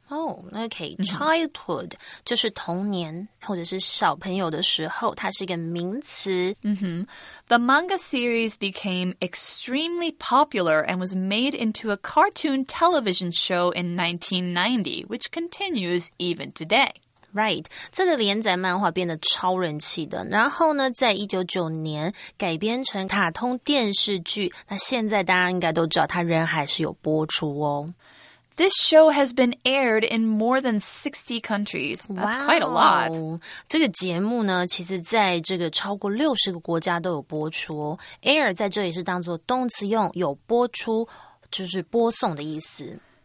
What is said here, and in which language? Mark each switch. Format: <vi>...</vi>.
<zh>Childhood 就是童年或者是小朋友的时候，它是一个名词。 Mm-hmm.</zh> <en>The manga series became extremely popular and was made into a cartoon television show in 1990, which continues even today.</en> <zh>Right, 这个连载漫画变得超人气的，然后呢，在1999年改编成卡通电视剧，那现在大家应该都知道它仍还是有播出哦。</zh> <en>This show has been aired in more than 60 countries. That's quite a lot.</en> <zh>Wow, 这个节目呢，其实在这个超过60个国家都有播出哦。 Air 在这里是当作动词用，有播出，就是播送的意思。</zh>